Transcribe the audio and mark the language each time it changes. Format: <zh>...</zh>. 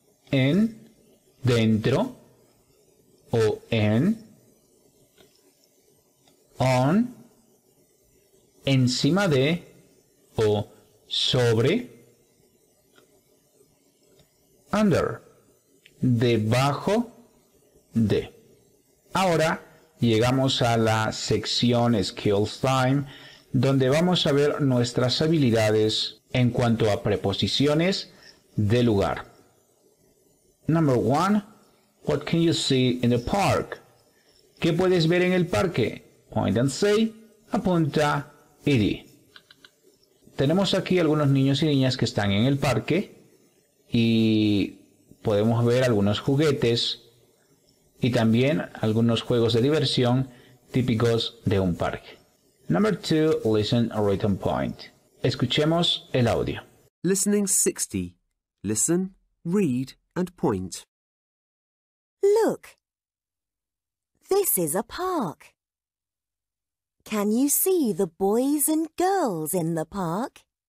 <es>En, dentro, o en, on, encima de, o sobre, under, debajo de. Ahora llegamos a la sección Skills Time, donde vamos a ver nuestras habilidades en cuanto a preposiciones de lugar.</es> <en>Number one, what can you see in the park?</en> <es>¿Qué puedes ver en el parque?</es> <en>Point and say,</en> <es>apunta y di. Tenemos aquí algunos niños y niñas que están en el parque. Y podemos ver algunos juguetes y también algunos juegos de diversión típicos de un parque.</es> <en>Number two, listen a written point.</en> <es>Escuchemos el audio.</es> <en>Listening 60. Listen, read, and point. Look. This is a park. Can you see the boys and girls in the park?</en>